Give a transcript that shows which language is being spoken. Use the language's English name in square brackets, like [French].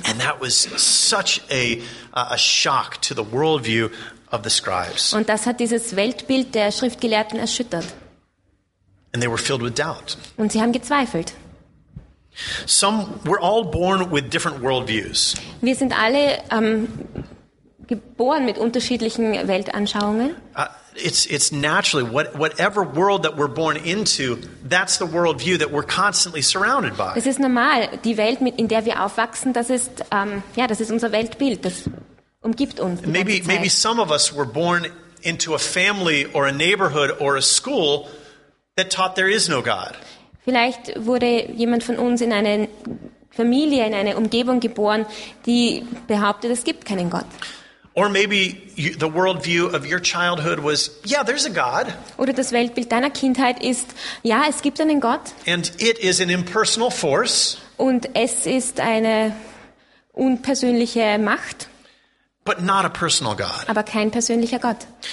[English] And that was such a shock to the worldview of the scribes. [German] Und das hat dieses Weltbild der Schriftgelehrten erschüttert. [English] And they were filled with doubt. [German] Und sie haben gezweifelt. [English] Some were all born with different worldviews. [German] Wir sind alle geboren mit unterschiedlichen Weltanschauungen. [English] It's naturally whatever world that we're born into, that's the worldview that we're constantly surrounded by. [German] Es ist normal, die Welt, in der wir aufwachsen, das ist das ist unser Weltbild, das umgibt uns. [English] Maybe some of us were born into a family or a neighborhood or a school that taught there is no God. [German] Vielleicht wurde jemand von uns in eine Familie, in eine Umgebung geboren, die behauptet, es gibt keinen Gott. [English] Or maybe the worldview of your childhood was, yeah, there's a God. [German] Oder das Weltbild deiner Kindheit ist, ja, es gibt einen Gott. [English] And it is an impersonal force. [German] Und es ist eine unpersönliche Macht. [English] but not a personal God. [German] Aber kein persönlicher Gott.